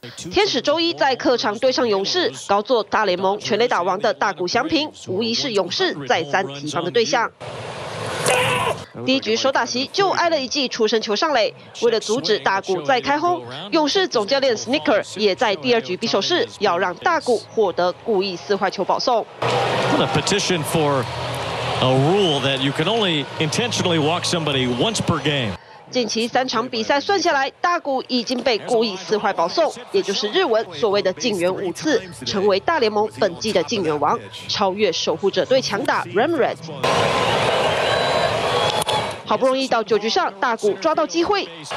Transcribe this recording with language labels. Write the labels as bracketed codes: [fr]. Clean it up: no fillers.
[zh] 天使周一在客场对上勇士，高作大联盟全垒打王的大谷翔平无疑是勇士再三提防的对象。第一局手打席就挨了一记触身球上垒，为了阻止大谷再开轰，勇士总教练 Snicker 也在第二局比手势，要让大谷获得故意四坏球保送。 [en] What a petition for a rule that you can only intentionally walk somebody once per game. [zh] 近期3场比赛算下来，大谷已经被故意四坏保送，也就是日文所谓的禁援5次，成为大联盟本季的禁援王，超越守护者队强打 Ramirez。好不容易到9局上，大谷抓到机会。